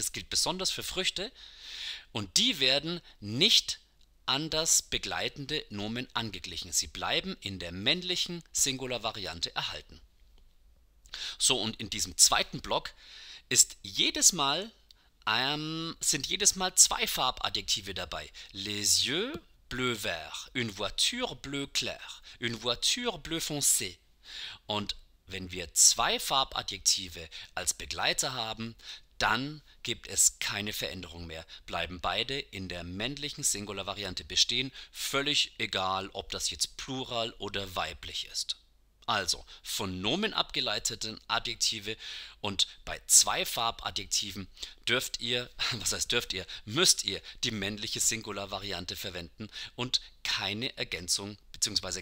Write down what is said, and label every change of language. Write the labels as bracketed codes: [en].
[de] Das gilt besonders für Früchte. Und die werden nicht an das begleitende Nomen angeglichen. Sie bleiben in der männlichen Singular-Variante erhalten. So, und in diesem zweiten Block ist jedes Mal, sind jedes Mal zwei Farbadjektive dabei. [fr] Les yeux bleu vert, une voiture bleu clair, une voiture bleu foncé. [de] Und wenn wir zwei Farbadjektive als Begleiter haben, dann gibt es keine Veränderung mehr. Bleiben beide in der männlichen Singular-Variante bestehen, völlig egal, ob das jetzt Plural oder weiblich ist. Also, von Nomen abgeleiteten Adjektive und bei zwei Farbadjektiven dürft ihr, was heißt dürft ihr, müsst ihr die männliche Singular-Variante verwenden und keine Ergänzung bzw.